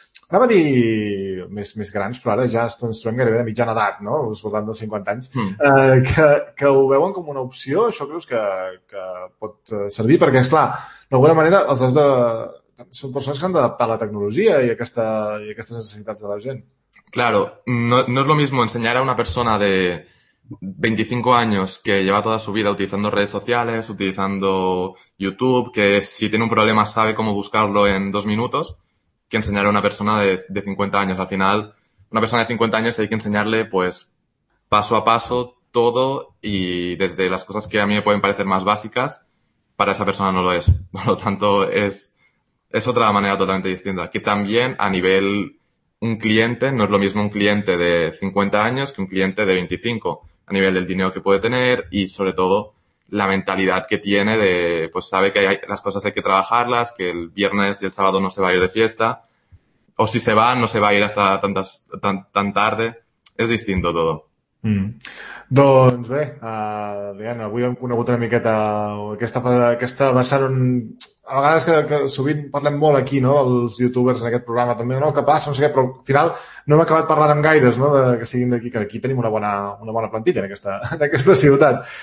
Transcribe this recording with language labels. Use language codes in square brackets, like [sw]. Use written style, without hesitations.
[ca] Anava a dir més grans, però ara ja estan trobant gairebé de mitjana edat, no? Us voltant dels 50 anys. Que ho veuen com una opció. Això creus que pot servir? Perquè, és clar, d'alguna manera els has de... Són persones que s'han d'adaptar a la tecnologia i aquestes necessitats de la gent. [es] Claro, no es lo mismo enseñar a una persona de 25 años que lleva toda su vida utilizando redes sociales, utilizando YouTube, que si tiene un problema sabe cómo buscarlo en 2 minutos, que enseñar a una persona de 50 años. Al final, una persona de 50 años hay que enseñarle, pues, paso a paso todo y desde las cosas que a mí me pueden parecer más básicas, para esa persona no lo es. Por lo tanto, es otra manera totalmente distinta. Que también a nivel... Un cliente no es lo mismo un cliente de 50 años que un cliente de 25 a nivel del dinero que puede tener y sobre todo la mentalidad que tiene de, pues sabe que las cosas hay que trabajarlas, que el viernes y el sábado no se va a ir de fiesta o si se va, no se va a ir hasta tan tarde. Es distinto todo. [ca] Doncs bé, Diana, avui hem conegut una miqueta aquesta vessant on... A vegades que sovint parlem molt aquí, no?, els youtubers en aquest programa, també, no, què passa, no sé què, però al final no hem acabat parlant amb gaires, no?, que siguin d'aquí, que aquí tenim una bona plantilla en aquesta ciutat.